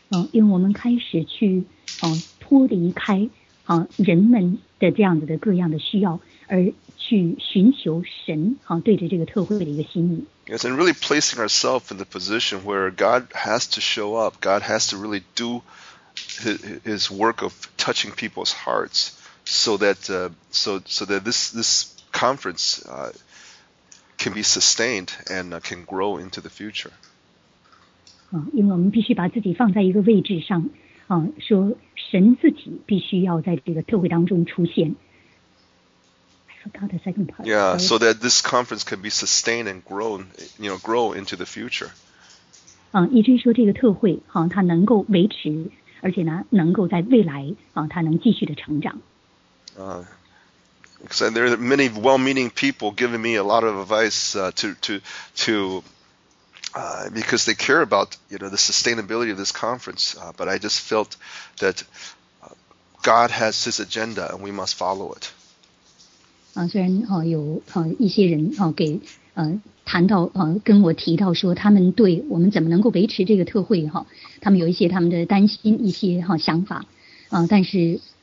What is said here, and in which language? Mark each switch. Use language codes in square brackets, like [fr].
[zh] 因为我们开始去脱离开人们的这样子的各样的需要，而去寻求神对着这个特会的一个心意。 [en] Yes, and really placing ourselves in the position where God has to show up. God has to really do His work of touching people's hearts, so that this conference. Can be sustained and can grow into the future. [zh] 因为我们必须把自己放在一个位置上，说神自己必须要在这个特会当中出现。 [en] I forgot the second part. Yeah, so that this conference can be sustained and grown, grow into the future. [zh] 以至于说这个特会，它能够维持，而且呢，能够在未来，它能继续的成长。 [en] Because there are many well-meaning people giving me a lot of advice to because they care about the sustainability of this conference. But I just felt that God has His agenda and we must follow it. [zh] 虽然有一些人给谈到跟我提到说他们对我们怎么能够维持这个特会他们有一些他们的担心一些想法但是。